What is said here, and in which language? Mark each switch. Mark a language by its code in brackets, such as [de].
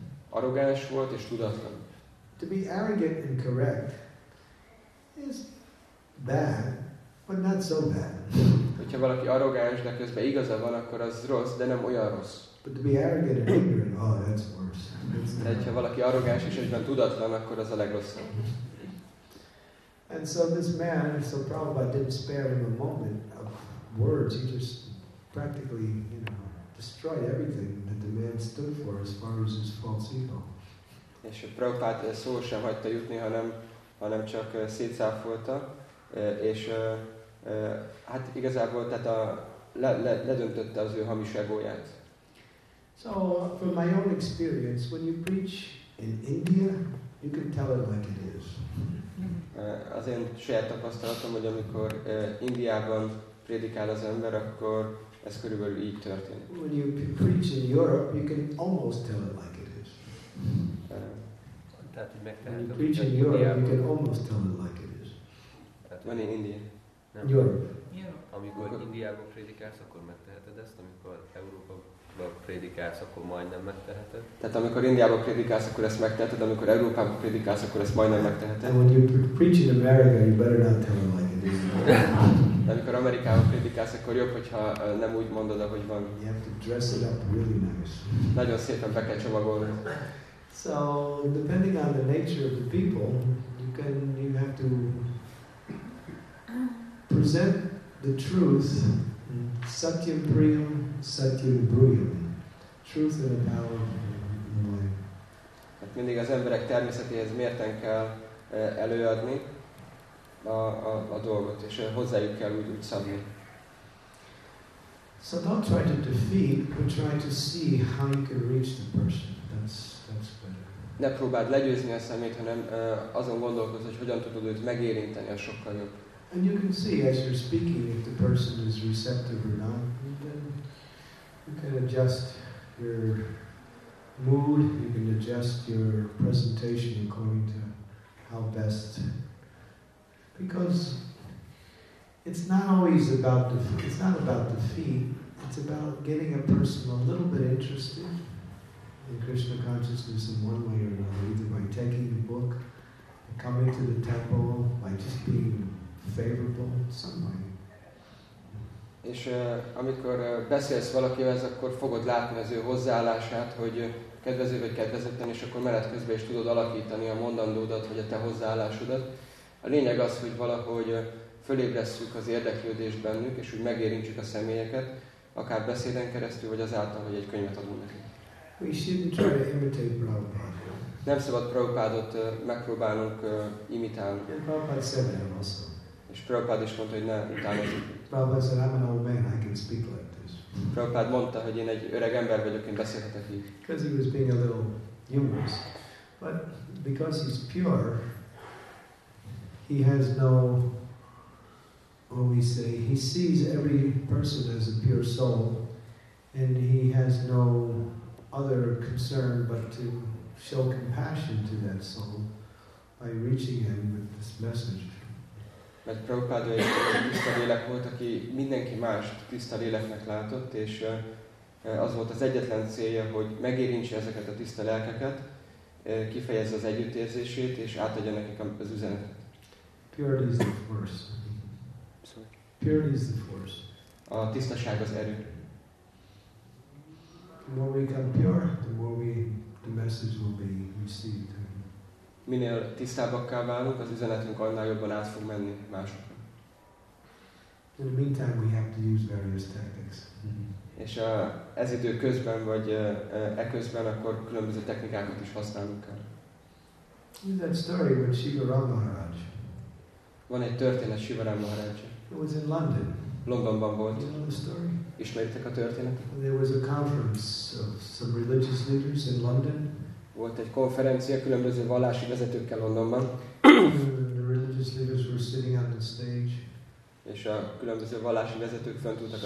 [hu] Arrogáns volt és tudatlan. [en] To be arrogant and correct is bad, but not so bad. [hu] Hogyha valaki arrogáns, de közben igaza van, akkor az rossz, de nem olyan rossz. [en] But to be arrogant and ignorant, oh, that's worse. [hu] Hogyha valaki arrogáns és egyben tudatlan, akkor az a legrosszabb. [en] And so this man, so Prabhupada didn't spare him a moment of words. He just practically, you know, destroyed everything that the man stood for as far as his false ego. [hu] És a Prabhupada szó sem hagyta jutni, hanem csak szétszáfolta, és hát igazából tehát ledöntötte az ő hamis egóját. [en] So from my own experience, when you preach in India, you can tell it like it is. [hu] Az én saját tapasztalatom, hogy amikor Indiában prédikál az ember, akkor ez körülbelül így történik. [en] When you preach in Europe, you can almost tell it like it is. [hu] Tehát, [en] when you preach in Europe, you can almost tell it like it is. When in India? [hu] Nem. Europe. [en] Yeah. [hu] Amikor Indiában prédikálsz, akkor megteheted ezt, amikor Európában prédikálsz, akkor majdnem megteheted. Tehát amikor Indiában prédikálsz, akkor ezt megteheted, amikor Európában prédikálsz, akkor ezt majdnem megteheted. [en] And when you preach in America, you better not tell it like it is. [hu] De amikor Amerikában prédikálsz, akkor jobb, hogyha nem úgy mondod, ahogy van. [en] You have to dress it up really nice. [hu] Nagyon szépen be kell csomagolni. [en] So, depending on the nature of the people, you have to present the truth, [sa] satyam priyam, satyam bruyam, [en] truth in a powerful way. [hu] Hát mindig az emberek természetéhez mérten kell előadni a dolgot, és hozzájuk kell úgy szabni. [en] So don't try to defeat, but try to see how you can reach the person. That's better. [hu] Ne próbáld legyőzni a szemét, hanem azon gondolkozz, hogy hogyan tudod őt megérinteni, a sokkal jobb. [en] And you can see as you're speaking if the person is receptive or not, then you can adjust your mood, you can adjust your presentation according to how best. Because it's not always about defeat, it's about getting a person a little bit interested in Krishna consciousness in one way or another, either by taking the book, coming to the temple, by just being favorable in some way. [hu] És amikor beszélsz valakivel, akkor fogod látni az ő hozzáállását, hogy kedvező vagy kedvezetten, és akkor mellett közben is tudod alakítani a mondandódat, vagy a te hozzáállásodat. A lényeg az, hogy valahogy fölébresszük az érdeklődést bennük, és úgy megérintsük a személyeket, akár beszéden keresztül, vagy azáltal, hogy egy könyvet adunk nekik. [en] We shouldn't try to imitate Prabhupada. [hu] Nem szabad Prabhupádot megpróbálnunk imitálni. [en] And Prabhupada said that also. [hu] És Prabhupád is mondta, hogy ne utánozzuk. [en] Prabhupada said, I'm an old man, I can speak like this. [hu] Prabhupád mondta, hogy én egy öreg ember vagyok, én beszélhetek így. [en] Because he was being a little humorous. But because he's pure, he has no, what we say, he sees every person as a pure soul, and he has no other concern but to show compassion to that soul by reaching him with this message. [hu] Mert Prabhupada egy tiszta lélek volt, aki mindenki más tiszta léleknek látott, és az volt az egyetlen célja, hogy megérintse ezeket a tiszta lelkeket, kifejezze az együttérzését, és átadja nekik az üzenetet. [en] Purity is the force. Purity is the force. [hu] A tisztaság az erő. [en] The more we become pure, the more the message will be received. [hu] minél tisztábbakká válunk, az üzenetünk annál jobban át fog menni másokra. [en] In the meantime, we have to use various tactics. [hu] És ez idő közben vagy e közben akkor különböző technikákat is használunk kell. [en] In that story with Sivaram Maharaj. [hu] Van egy történet Sivaram Maharaj. [en] It was in London. [hu] Londonban volt. [en] You know the story? [hu] Ismeritek a történet? [en] There was a conference of some religious leaders in London. [hu] Volt egy konferencia különböző vallási vezetőkkel Londonban. [en] The religious leaders were sitting on the stage. [hu] És a különböző vallási vezetők fönt ültek a